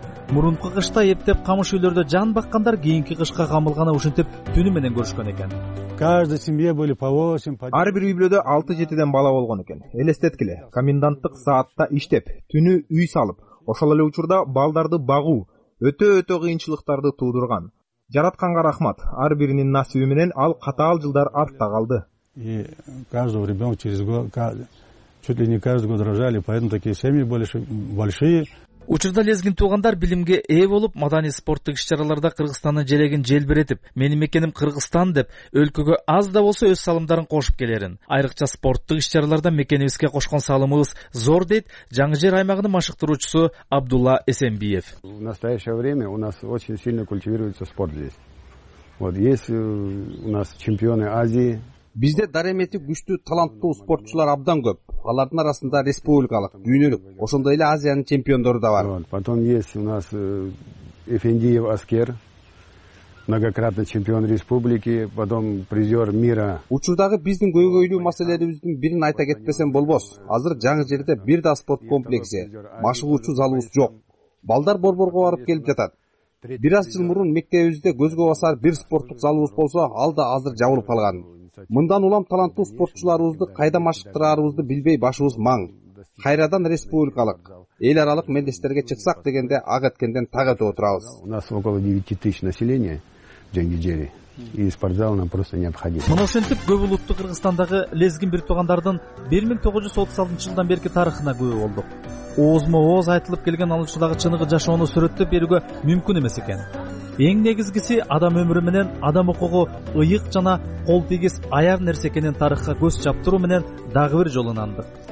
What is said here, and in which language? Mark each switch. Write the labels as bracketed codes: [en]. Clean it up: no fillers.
[ky] Мурунку кышта эптеп камыш үйлөрдө жан баккандар кийинки кышка камылганы ушинтип түнү менен көрүшкөн экен. [ru] Каждой семье были по 8. [ky] Ар бир үй бүлөдө 6-7 бала болгон экен. Элестеткиле, коменданттык саатта иштеп, түнү үй салып, ошол эле учурда балдарды багуу өтө-өтө кыйынчылыктарды туудурган. Жаратканга рахмат. Ар биринин насиби менен ал катаал жылдар артта калды. [ru] И каждого ребёнка через год чуть ли не каждый год рожали, поэтому такие семьи большие. [ky] Учурда Лезгин туугандар билимге ээ болуп, маданий спорттук иш-чараларда Кыргызстандын желегин желбиретип, менин мекеним Кыргызстан деп өлкөгө аз да болсо өз салымдарын кошуп келерин. Айрыкча спорттук иш-чараларда мекенибизге кошкон салымыбыз зор дейт жаңы жер аймагынын машыктыруучусу Абдулла Эсенбиев. [ru] В настоящее время у нас очень сильно культивируется спорт здесь. Вот есть у нас чемпионы Азии. [ky] Бизде дарамети күчтүү таланттуу спортчулар абдан көп. Алардын арасында республикалык, дүйнөлүк, ошондой эле Азиянын чемпиондору да бар. [ru] Потом есть у нас Эфендиев Аскер, многократный чемпион республики, потом призер мира. [ky] Учурдагы биздин көйгөйлүү маселелерибиздин бирин айта кетпесем болбос. Азыр жаңы жерде бир да спорт комплекси, машыгуучу залыбыз жок. Балдар борборго барып келип жатат. Бир аз жыл мурун мектебибизде көзгө басар бир спорттук залыбыз болсо, ал да азыр жабылып калган. Мындан улам таланттуу спортчуларыбызды кайда машыктырарыбызды билбей башыбыз маң. Кайрадан республикалык, эл аралык мелдештерге чыксак дегенде ак эткенден так этип отурабыз. [ru] У нас около 9000 населения Жангижери. И спортзал нам просто необходим. [ky] Мына ошентип көп улуттуу Кыргызстандагы лезгин бир туугандардын 1936 жылдан берки тарыхына күбө болдук. Оозмо ооз айтылып келген ал учурдагы чыныгы жашоону сүрөттөп берүүгө мүмкүн эмес экен. Эң негизгиси адам өмүрү менен адам укугу ыйык жана кол тийгиз аяр нерсе экенин тарыхка көз чаптыруу менен дагы бир жолунанды.